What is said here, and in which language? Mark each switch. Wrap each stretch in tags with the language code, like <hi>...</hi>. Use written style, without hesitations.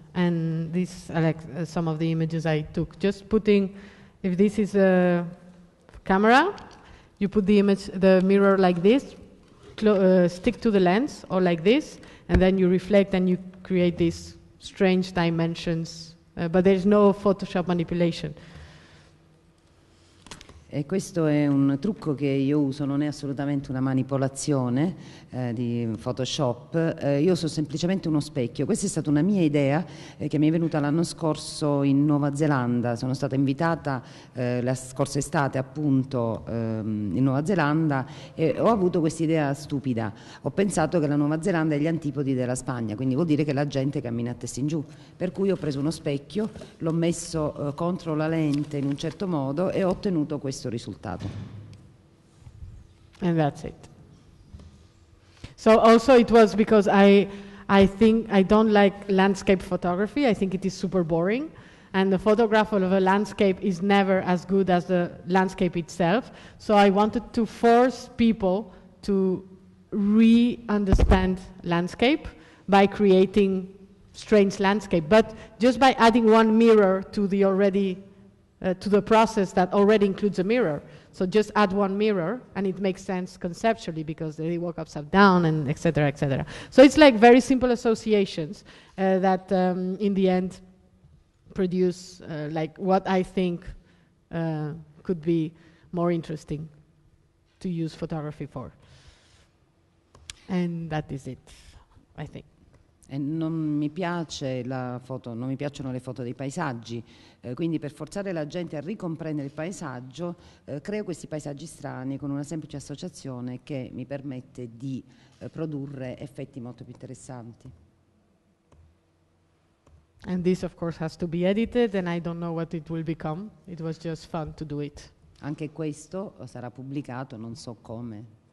<en>And these are like some of the images I took. Just putting, if this is a camera, you put the image, the mirror like this, stick to the lens or like this, and then you reflect and you create this strange dimensions, but there's no Photoshop manipulation.</en> <it>E questo è un trucco che io uso, non è assolutamente una manipolazione di Photoshop, io sono semplicemente uno specchio. Questa è stata una mia idea che mi è venuta l'anno scorso in Nuova Zelanda. Sono stata invitata la scorsa estate appunto in Nuova Zelanda e ho avuto questa idea stupida. Ho pensato che la Nuova Zelanda è gli antipodi della Spagna, quindi vuol dire che la gente cammina a testa in giù. Per cui ho preso uno specchio, l'ho messo contro la lente in un certo modo e ho ottenuto questo risultato.</it> <en>And that's it. So also it was because I think I don't like landscape photography. I think it is super boring, and the photograph of a landscape is never as good as the landscape itself. So I wanted to force people to re-understand landscape by creating strange landscape, but just by adding one mirror to the already to the process that already includes a mirror. So just add one mirror and it makes sense conceptually because they walk upside down and et cetera, et cetera. So it's like very simple associations that in the end produce like what I think could be more interesting to use photography for. And that is it, I think.</en> <it>E non mi piace la foto, non mi piacciono le foto dei paesaggi, quindi per forzare la gente a ricomprendere il paesaggio creo questi paesaggi strani con una semplice associazione che mi permette di produrre effetti molto più interessanti.</it> <en>And this of course has to be edited and I don't know what it will become. It was just fun to do it.</en> <it>Anche questo sarà pubblicato, non so come.</it>